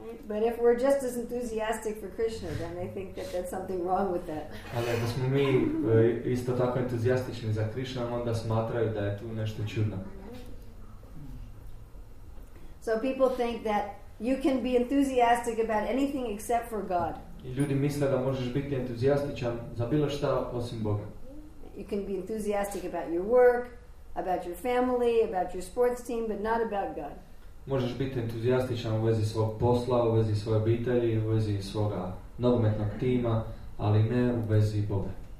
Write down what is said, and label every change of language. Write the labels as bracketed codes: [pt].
[en] But if we're just as enthusiastic for Krishna, then they think that there's something wrong with that. [hr] Ali ako smo mi isto tako entuzijastični za Krishna, onda smatraju da je tu nešto čudno. [en] So people think that you can be enthusiastic about anything except for God. [hr] I ljudi misle da možeš biti entuzijastičan za bilo šta osim Boga. [en] You can be enthusiastic about your work, about your family, about your sports team, but not about God. [hr] Možeš biti entuzijastičan u vezi svog posla, u vezi svoje obitelji, u vezi svoga nogometnog tima, ali ne u vezi Boga.